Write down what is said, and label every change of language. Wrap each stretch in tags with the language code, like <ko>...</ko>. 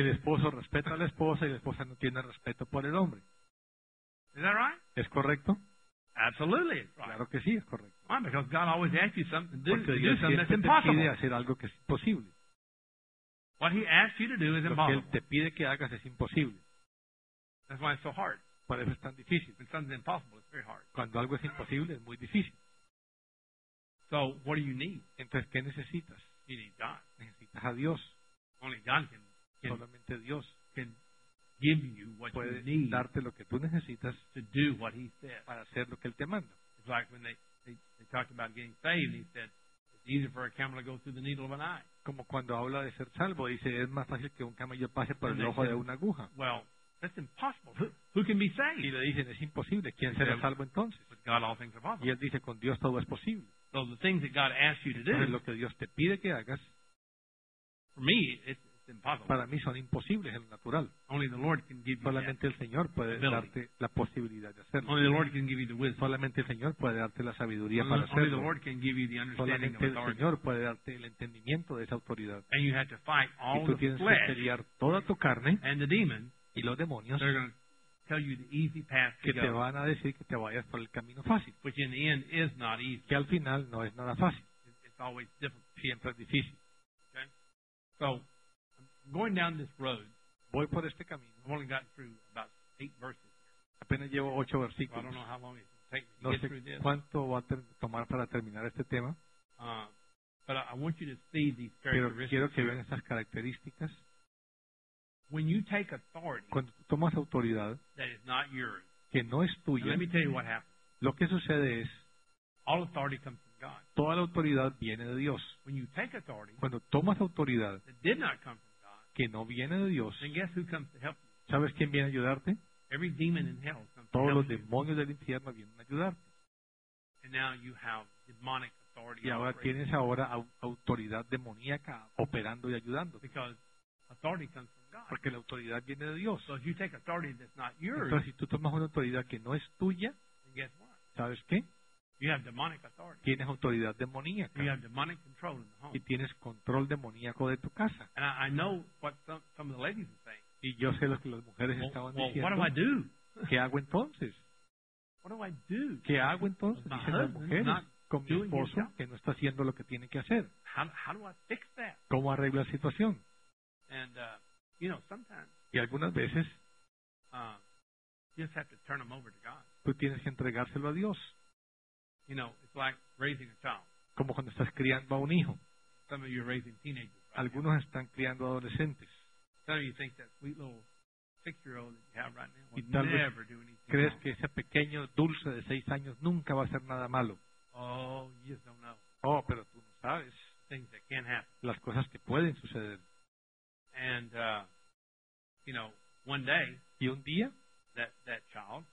<es>El esposo respeta a la esposa y la esposa no tiene respeto por el hombre.</es> <en>Is that right?</en> <es>¿Es correcto?</es> <en>Absolutely. It's right.</en> <es>Claro que sí, es correcto.</es> <en>Why? Because God always asks you something to do,</en> <es>porque</es> <en>to do something that's impossible.</en> <es>Te pide hacer algo que es imposible.</es> <en>What he asks you to do is impossible.</en> <es>Lo que él te pide que hagas es imposible.</es> <en>That's why it's so hard.</en> <es>Por eso es tan difícil.</es> <en>When something's impossible, it's very hard.</en> <es>Cuando algo es imposible, es muy difícil.</es> <en>So what do you need?</en> <es>Entonces, ¿qué necesitas?</es> <en>You need God.</en> <es>Necesitas a Dios.</es> <en>Only God can.</en> <es>Solamente Dios</es> <en>can give you what</en> <es>puede</es> <en>you need</en> <es>darte lo que tú necesitas</es> <en>to do what he said.</en> <es>Para hacer lo que él te manda.</es> <en>It's like when they talked about getting saved, he said, it's easier for a camel to go through the needle of an eye.</en> <es>Como cuando habla de ser salvo, dice, es más fácil que un camello pase por el ojo de una aguja.</es> <en>Well, that's impossible. Who can be saved?</en> <es>Y le dicen, es imposible. ¿Quién será salvo entonces?</es> <en>With God, all things are possible.</en> <es>Y él dice, con Dios todo es posible.</es> <en>So the things that God asks you to do,</en> <es>lo que Dios te pide que hagas,</es> <en>for me, it's impossible.</en> <es>Para mí son imposibles en lo natural.</es> <en>Only the Lord can give you</en> <es>solamente</es> <en>that</en> <es>el Señor puede</es> <en>ability.</en> <es>Darte la posibilidad de hacerlo.</es> <en>Only the Lord can give you the wisdom.</en> <es>Solamente el Señor puede darte la sabiduría</es> <en>only,</en> <es>para hacerlo.</es> <en>Only the Lord can give you the understanding</en> <es>solamente</es> <en>of authority.</en> <es>El Señor puede darte el entendimiento de esa autoridad.</es> <en>And you have to fight all the flesh.</en> <es>Y tú tienes que pelear toda tu carne</es> <en>and the demon,</en> <es>y los demonios.</es> <en>They're going to tell you the easy path to go,</en> <es>te van a decir que te vayas por el camino fácil.</es> <en>Which in the end is not easy.</en> <es>Que al final no es nada fácil.</es> <en>It's always difficult.</en> <es>Siempre es difícil.</es> <en>Okay? So, going down this road,</en> <es>voy por este camino.</es> <en>I've only gotten through about 8 verses.</en> <es>Apenas llevo 8 versículos.</es> <en>So I don't know how long it's going to take me to</en> <es>no</es> <en>get through this.</en> <es>¿Cuánto va a tomar para terminar este tema?</es> <en>But I want you to see these characteristics.</en> <es>Pero quiero que vean esas características.</es> <en>When you take authority,</en> <es>cuando tomas autoridad,</es> <en>that is not yours,</en> <es>que no es tuya,</es> <en>let me tell you what happens.</en> <es>Lo que sucede es,</es> <en>all authority comes from God.</en> <es>Toda la autoridad viene de Dios.</es> <en>When you take authority,</en> <es>cuando tomas autoridad,</es> <en>that did not come from God,</en> <es>que no viene de Dios,</es> <en>then guess who comes to help you?</en> <es>¿Sabes quién viene a ayudarte?</es> <en>Every demon in hell comes to help you.</en> <es>Todos los demonios del infierno vienen a ayudarte.</es> <en>And now you have demonic authority.</en> <es>Y ahora tienes ahora autoridad demoníaca operando y ayudando.</es> <en>Because authority comes from God.</en> <es>Porque la autoridad viene de Dios.</es> <en>So if you take authority that's not yours,</en> <es>entonces si tú tomas una autoridad que no es tuya,</es> <en>then guess what?</en> <es>¿Sabes qué?</es> <en>You have demonic authority.</en> <es>Tienes autoridad demoníaca.</es> <en>You have demonic control in the home.</en> <es>Y tienes control demoníaco de tu casa.</es> <en>And I know what some of the ladies are saying.</en> <es>Y yo sé lo que las mujeres</es> <en>well,</en> <es>estaban</es> <en>well,</en> <es>diciendo.</es> <en>What do I do?</en> <es>¿Qué hago entonces?</es> <en>What do I do?</en> <es>¿Qué hago entonces?</es> <en>Well,</en> <es>dicen las mujeres con mi esposo que no está haciendo lo que tiene que hacer.</es> <en>How do I fix that?</en> <es>¿Cómo arreglo la situación?</es> <en>And, you know, sometimes,</en> <es>y algunas veces</es> <en>you just have to turn them over to God.</en> <es>Tú tienes que entregárselo a Dios.</es> <en>You know, it's like raising a child.</en> <es>Como cuando estás criando a un hijo.</es> <en>Some of you are raising teenagers, right?</en> <es>Algunos están criando adolescentes.</es> <en>Some of you think that sweet little 6-year-old that you have right now will never do anything.</en> <es>¿Crees que ese pequeño dulce de 6 años nunca va a hacer nada malo?</es> <en>Oh, you just don't know.</en> <es>Oh, pero tú no sabes.</es> <en>Things that can happen.</en> <es>Las cosas que pueden suceder.</es> <en>And, you know, one day,</en> <es>y un día,</es> <en>that child,</en>